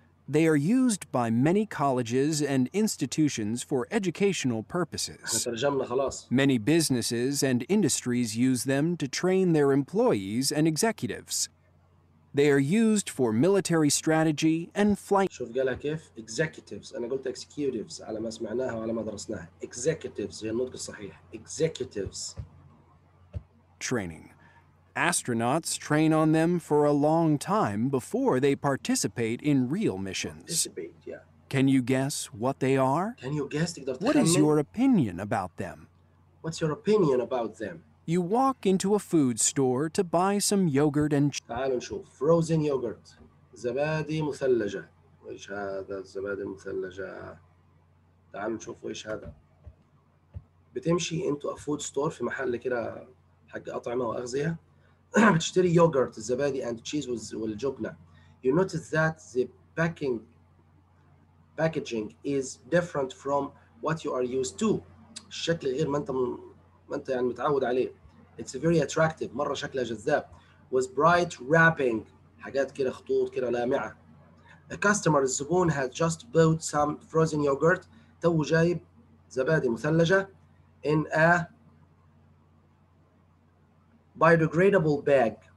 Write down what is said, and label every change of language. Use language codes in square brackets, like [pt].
[en] They are used by many colleges and institutions for educational purposes. Many businesses and industries use them to train their employees and executives. They are used for military strategy and flight. [ar] شوف قالها كيف؟ Executives. أنا قلت executives على ما سمعناها وعلى ما درسناها. Executives. هي النطق الصحيح. Executives. [en] Training. Astronauts train on them for a long time before they participate in real missions. Can you guess what they are? Can you guess? What is your opinion about them? What's your opinion about them? You walk into a food store to buy some yogurt and [ar] تعال نشوف. [en] Frozen yogurt. [ar] زبادي مثلجة. وإيش هذا الزبادي المثلجة؟ تعال نشوف وإيش هذا. بتمشي [en] into a food store [ar] في محل كده حق أطعمة وأغذية. بتشتري يوغرت الزبادي [en] and cheese [ar] والجبنة. [en] You notice that the packaging is different from what you are used to. [ar] الشكل غير ما انت يعني متعود عليه. [en] It's very attractive. [ar] مرة شكلها جذاب. [en] With bright wrapping. [ar] حاجات كده خطوط كده لامعة. [en] A customer, الزبون, had just bought some frozen yogurt. [ar] تو جايب زبادي مثلجة [en] in a biodegradable bag.